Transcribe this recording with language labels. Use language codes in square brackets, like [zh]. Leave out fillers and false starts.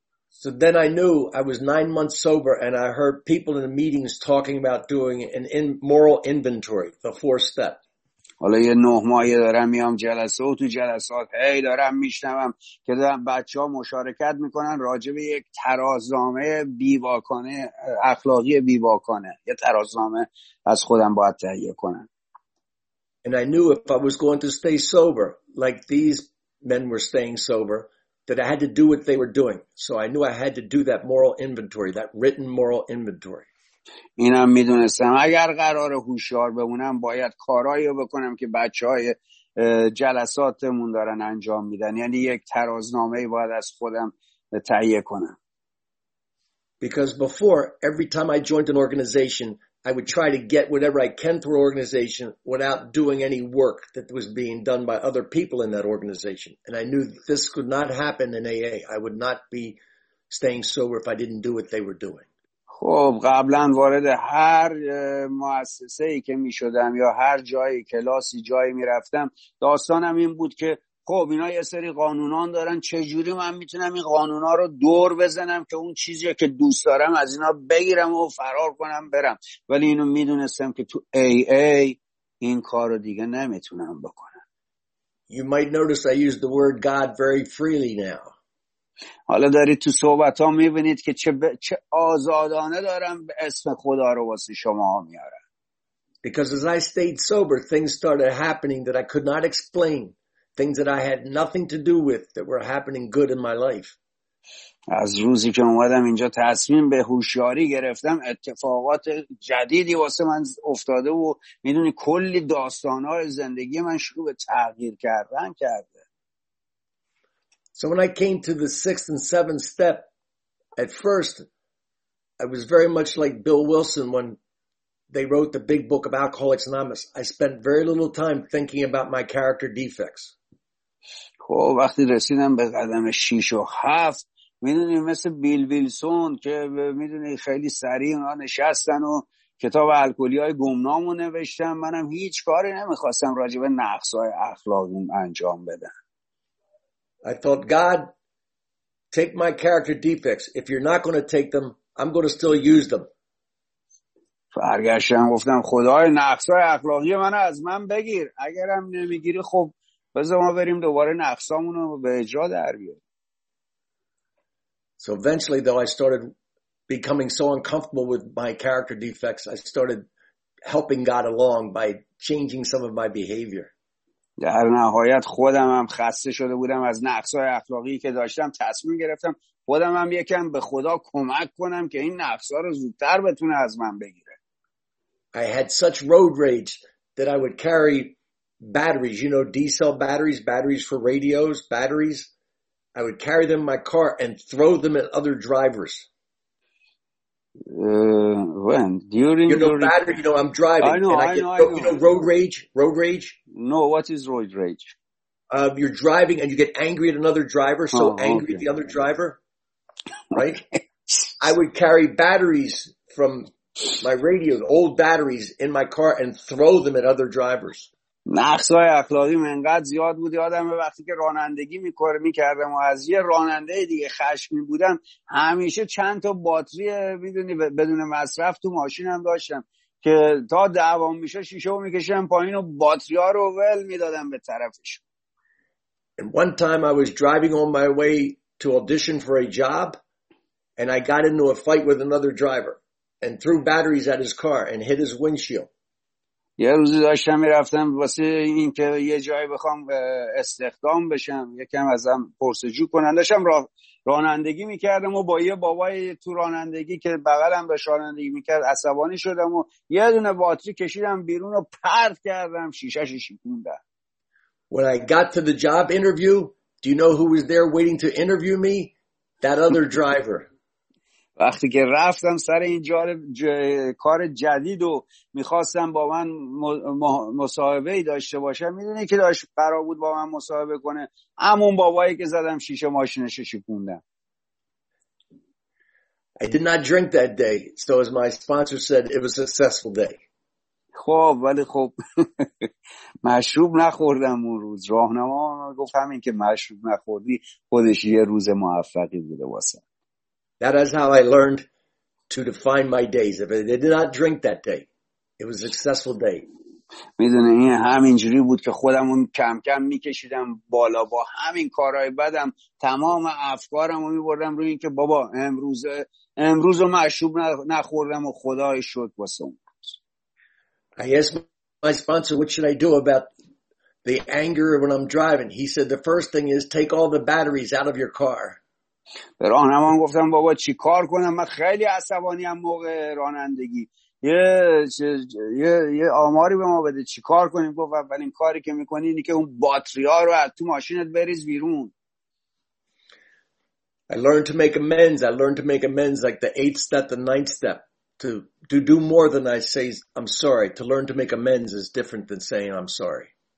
[en] So then I knew I was 9 months sober and I heard people in the meetings talking about doing an in moral inventory, the fourth step. [fa] حالا یه 9 ماهه دارم میام جلسه و تو جلسات هی دارم میشنوم که دارم بچه ها مشارکت میکنن راجع به یک ترازنامه بیواکانه، اخلاقی بیواکانه، یه ترازنامه از خودم باید تهیه کنن. [en] And I knew if I was going to stay sober like these men were staying sober that I had to do what they were doing. So I knew I had to do that moral inventory, that written moral inventory. [fa] اینم میدونستم اگر قرار هوشیار بمونم باید کارهایی رو بکنم که بچهای جلساتمون دارن انجام میدن، یعنی یک ترازنامه باید از خودم تهیه کنم. [en] Because before every time I joined an organization I would try to get whatever I can through the organization without doing any work that was being done by other people in that organization and I knew this could not happen in AA. I would not be staying sober if I didn't do what they were doing. [fa] خب قبلا وارد هر مؤسسه‌ای که می‌شدم یا هر جایی کلاسی جایی می‌رفتم داستانم این بود که خب اینا یه سری قانونان دارن، چجوری من می‌تونم این قانونا رو دور بزنم که اون چیزی که دوست دارم از اینا بگیرم و فرار کنم برم، ولی اینو می‌دونستم که تو AA این کارو دیگه نمی‌تونم بکنم. [en] You might notice I use the word God very freely now. [fa] حالا دارید تو صحبت ها میبینید که چه آزادانه دارم به اسم خدا رو واسه شما ها میارم. [en] Because as I stayed sober, things started happening that I could not explain. Things that I had nothing to do with that were happening good in my life. [fa] از روزی که اومدم اینجا تصمیم به هوشیاری گرفتم اتفاقات جدیدی واسه من افتاده و میدونی کلی داستانا رو زندگی من شروع به تغییر کردن کرده. [en] So when I came to the 6th and 7th step, at first I was very much like Bill Wilson when they wrote the big book of Alcoholics Anonymous. I spent very little time thinking about my character defects. [fa] خب وقتی رسیدم به قدم 6 و 7 میدونی مثل بیل ویلسون که میدونی خیلی سریع اونا نشستن و کتاب الکلی های گمنام رو نوشتن منم هیچ کاری نمیخواستم راجع به نقص های اخلاقیم انجام بدم. [en] I thought, God, take my character defects. If you're not going to take them, I'm going to still use them. [fa] فرگشتم گفتم خدای نقص های اخلاقی منو از من بگیر. اگرم نمیگیری خب بذار ما بریم دوباره نقص هامونو به اجرا در بیاریم. [en] So eventually, though, I started becoming so uncomfortable with my character defects, I started helping God along by changing some of my behavior. [fa] در نهایت خودم هم خسته شده بودم از نقصهای اخلاقی که داشتم تصمیم گرفتم خودم هم یکم به خدا کمک کنم که این نقصها رو زودتر بتونه از من بگیره. [en] I had such road rage that I would carry batteries, you know, D-cell batteries, batteries for radios, batteries. I would carry them in my car and throw them at other drivers. When? During you know, battery, you know, I'm driving. I know. You know, road rage? Road rage? No, what is road rage? You're driving and you get angry at another driver, at the other driver. Right? I would carry batteries from my radio, old batteries, in my car and throw them at other drivers. [fa] نقصهای اخلاقی من انقدر زیاد بود یادم به وقتی که رانندگی میکردم و از یه راننده دیگه خشمی بودم همیشه چند تا باتری میدونی بدون مصرف تو ماشینم داشتم که تا دعوام میشه شیشه رو میکشم پایین و باتری ها رو ول میدادم به طرفش. [en] And one time I was driving on my way to audition for a job and I got into a fight with another driver and threw batteries at his car and hit his windshield. [fa] یه روزی داشتم میرفتم واسه این که یه جایی بخوام استخدام بشم یکم ازم پرسجو کنن داشتم رانندگی میکردم و با یه بابای تو رانندگی که بغلم به رانندگی میکرد عصبانی شدم و یه دونه باتری کشیدم بیرون و پرت کردم شیشه شیکوندم. [en] When I got to the job interview, do you know who was there waiting to interview me? That other driver. [fa] وقتی که رفتم سر این کار جدید و میخواستم با من مصاحبه داشته باشم میدونی که داشت قرار بود با من مصاحبه کنه همون بابایی که زدم شیشه ماشینش رو شکوندم. [en] I did not drink that day, so as my sponsor said, it was a successful day. [fa] خب ولی خب مشروب نخوردم اون روز. راهنما گفت همین که مشروب نخوردی خودش یه روز موفقی بوده واسه. [en] That is how I learned to define my days. If I did not drink that day, it was a successful day. [fa] میدونی این همینجوری بود که خودم رو کم کم میکشیدم بالا با همین کارهای بدم تمام افکارم رو میبردم روی این که بابا امروز رو مشروب نخوردم و خدای شد واسه اون روز. [en] I asked my sponsor, what should I do about the anger when I'm driving? He said, the first thing is take all the batteries out of your car. [fa] به راهنما گفتم بابا چی کار کنم من خیلی عصبانی هم موقع رانندگی یه آماری به ما بده چی کار کنیم گفت اولین کاری که میکنی اینی که اون باتری ها رو از تو ماشینت بریز بیرون. [en] I learned to make amends. I learned to make amends like the 8th step, the 9th step. To do more than I say I'm sorry. To learn to make amends is different than saying I'm sorry.